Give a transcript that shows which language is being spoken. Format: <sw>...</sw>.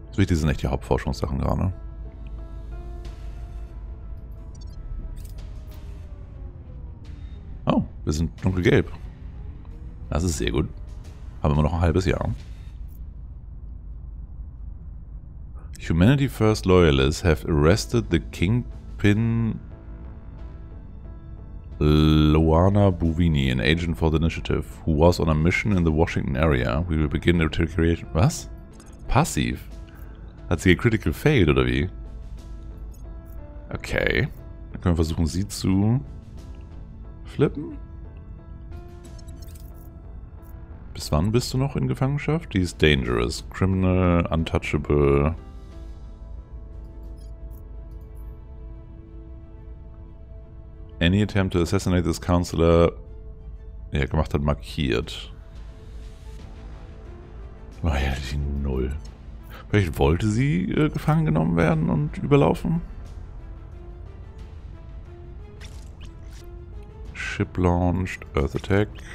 <de>So wichtig sind echt die Hauptforschungssachen gerade. Oh, wir sind dunkelgelb. Das ist sehr gut. Haben wir noch ein halbes Jahr.</de> <en>Humanity First Loyalists have arrested the Kingpin Luana Buvini, an agent for the initiative, who was on a mission in the Washington area. We will begin the retaliation.</en> <de>Was? Passiv? Hat sie</de> <en>critical failed,</en> <de>oder wie? Okay. Dann können wir versuchen, sie zu flippen. Bis wann bist du noch in Gefangenschaft? Die ist</de> <en>dangerous. Criminal, untouchable. Any attempt to assassinate this counselor.</en> <de>Ja, gemacht hat, markiert.</de> <en>Loyalty</en> <de>0. Vielleicht wollte sie gefangen genommen werden und überlaufen?</de> <en>Ship launched. Earth Attack.</en>